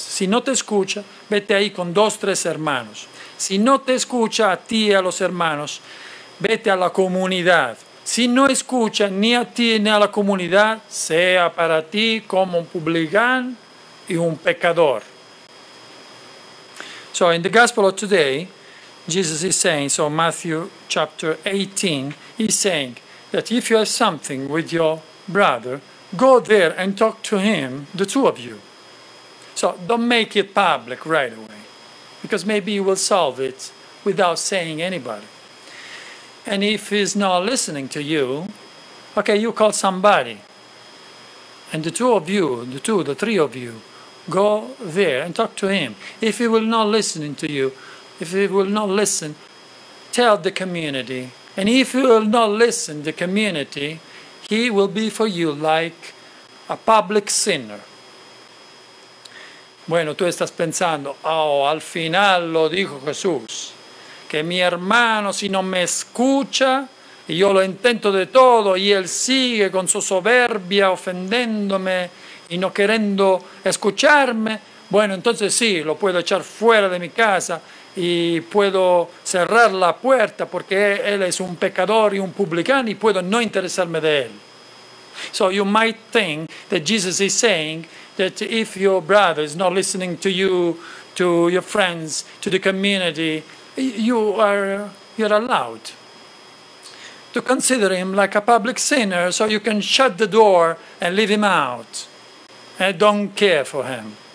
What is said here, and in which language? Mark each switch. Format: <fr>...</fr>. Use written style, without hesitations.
<es>Si no te escucha, vete ahí con 2 o 3 hermanos. Si no te escucha a ti y a los hermanos, vete a la comunidad. Si no escucha ni a ti ni a la comunidad, sea para ti como un publicano y un pecador.</es> <en>So in the Gospel of today, Jesus is saying, so Matthew chapter 18, he's saying that if you have something with your brother, go there and talk to him, the two of you. So don't make it public right away, because maybe you will solve it without saying anybody. And if he's not listening to you, okay, you call somebody. And the two of you, the three of you, go there and talk to him. If he will not listen to you, if it will not listen, tell the community. And if you will not listen to the community, he will be for you like a public sinner.</en> <es>Bueno, tú estás pensando, oh, al final lo dijo Jesús, que mi hermano si no me escucha, y yo lo intento de todo, y él sigue con su soberbia ofendiéndome y no queriendo escucharme, bueno, entonces sí, lo puedo echar fuera de mi casa y puedo cerrar la puerta porque él es un pecador y un publicano y puedo no interesarme de él.</es> <en>So you might think that Jesus is saying that if your brother is not listening to you, to your friends, to the community, you're allowed to consider him like a public sinner, so you can shut the door and leave him out and don't care for him.</en>